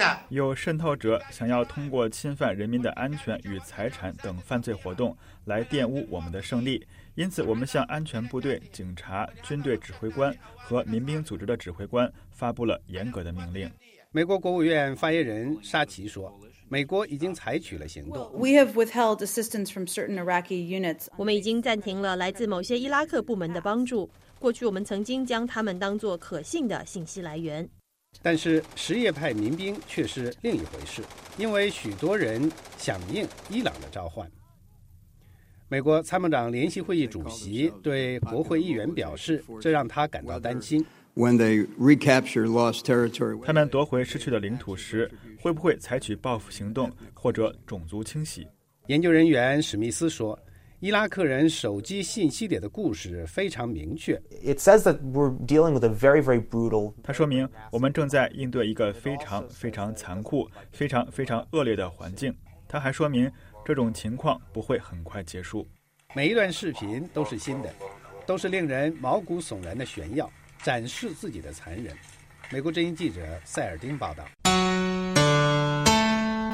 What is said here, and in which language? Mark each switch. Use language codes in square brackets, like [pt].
[zh] 有渗透者想要通过侵犯人民的安全与财产等犯罪活动来玷污我们的胜利，因此我们向安全部队、警察、军队指挥官和民兵组织的指挥官发布了严格的命令。美国国务院发言人沙奇说，美国已经采取了行动。 [en] We have withheld assistance from certain Iraqi units. [zh] 我们已经暂停了来自某些伊拉克部门的帮助。过去我们曾经将他们当作可信的信息来源。但是什叶派民兵却是另一回事，因为许多人响应伊朗的召唤。美国参谋长联席会议主席对国会议员表示，这让他感到担心。 [en] When they recapture lost territory, [zh] 他们夺回失去的领土时，会不会采取报复行动或者种族清洗？研究人员史密斯说，伊拉克人手机信息里的故事非常明确。 [en] It says that we're dealing with a very, very brutal. [zh] 它说明我们正在应对一个非常非常残酷、非常非常恶劣的环境。它还说明这种情况不会很快结束。每一段视频都是新的，都是令人毛骨悚然的炫耀。展示自己的残忍。美国之音记者塞尔丁报道。